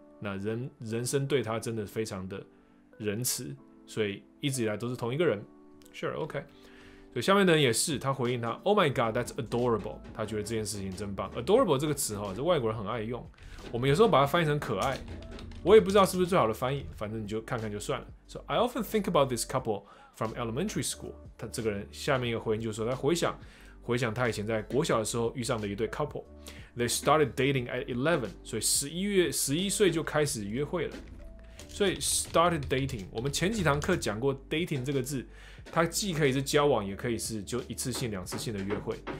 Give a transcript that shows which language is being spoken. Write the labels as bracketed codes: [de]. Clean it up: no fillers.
[zh] 那人生对他真的非常的仁慈，所以一直以来都是同一个人。 [en] Sure, okay. [zh] 所以下面的人也是，他回应他 ， [en] Oh my God, that's adorable。 [zh] 他觉得这件事情真棒 ，adorable 这个词哈，这外国人很爱用。我们有时候把它翻译成可爱，我也不知道是不是最好的翻译，反正你就看看就算了。 [en] So I often think about this couple from elementary school。 [zh] 他这个人下面一个回应就是说，他回想他以前在国小的时候遇上的一对 couple。 [en] They started dating at 11， [zh] 所以11岁就开始约会了。所以 started dating， 我们前几堂课讲过 dating 这个字。它既可以是交往，也可以是就一次性、两次性的约会。